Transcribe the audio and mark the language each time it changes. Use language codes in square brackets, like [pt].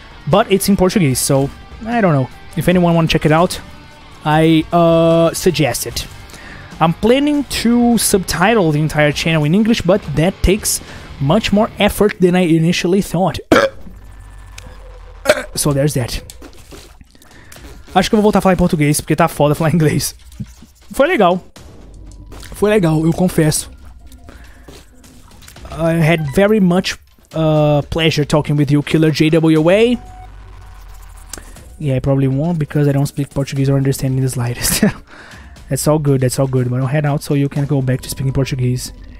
[en] But it's in Portuguese, so I don't know. If anyone want to check it out, I suggest it. I'm planning to subtitle the entire channel in English, but that takes much more effort than I initially thought. So there's that. [pt] Acho que eu vou voltar a falar em português, porque tá foda falar inglês. Foi legal. Foi legal, eu confesso. [en] I had very much pleasure talking with you, Killer JWA. Yeah, I probably won't, because I don't speak Portuguese or understand in the slightest. That's all good. But I'll head out so you can go back to speaking Portuguese.